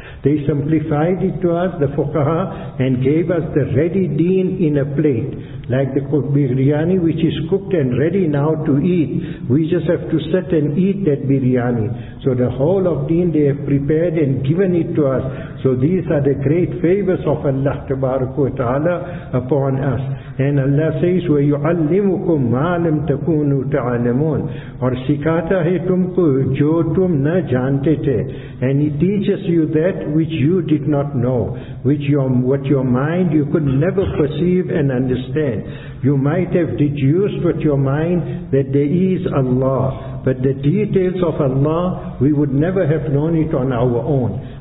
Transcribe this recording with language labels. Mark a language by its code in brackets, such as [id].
[en] They simplified it to us, the Fuqaha, and gave us the ready deen in a plate. Like the biryani, which is cooked and ready now to eat. We just have to sit and eat that biryani. So the whole of deen they have prepared and given it to us. So these are the great favors of Allah tabaraka wa ta'ala upon us. And Allah says, [ar] وَيُعَلِّمُكُمْ مَا لَمْ تَكُونُوا تَعَلَمُونَ [ur] اور سکھاتا ہے تم کو جو تم نہ جانتے تھے. [en] And He teaches you that which you did not know, what your mind you could never perceive and understand. You might have deduced with your mind that there is Allah, but the details of Allah, we would never have known it on our own.